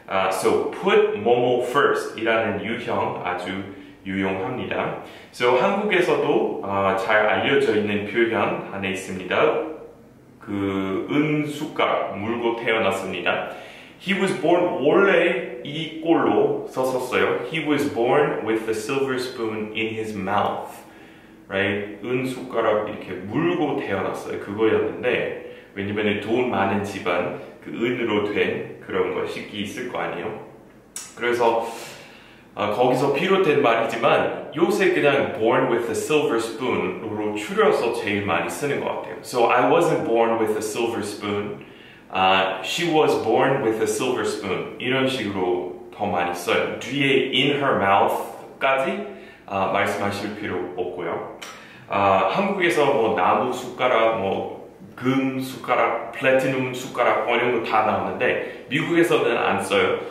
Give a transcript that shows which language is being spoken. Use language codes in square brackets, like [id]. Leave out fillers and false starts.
[en] So put [ko] 뭐뭐 [en] first [ko] 이라는 유형 아주 유용합니다. So 한국에서도 잘 알려져 있는 표현 하나 있습니다. 그 은숙각 물고 태어났습니다. [en] He was born [ko] 원래 이 꼴로 썼었어요. [en] He was born with a silver spoon in his mouth. Right? [ko] 은 숟가락 이렇게 물고 태어났어요. 그거였는데 왜냐면 돈 많은 집안 그 은으로 된 그런 거 식기 있을 거 아니에요. 그래서 거기서 비롯된 말이지만 요새 그냥 [en] born with a silver spoon [ko] 으로 줄여서 제일 많이 쓰는 것 같아요. [en] So I wasn't born with a silver spoon. She was born with a silver spoon. [ko] 이런 식으로 더 많이 써요. 뒤에 [en] in her mouth [ko] 까지 말씀하실 필요 없고요. 한국에서 뭐 나무 숟가락, 뭐 금 숟가락, 플래티넘 숟가락 뭐 이런 거 다 나오는데 미국에서는 안 써요.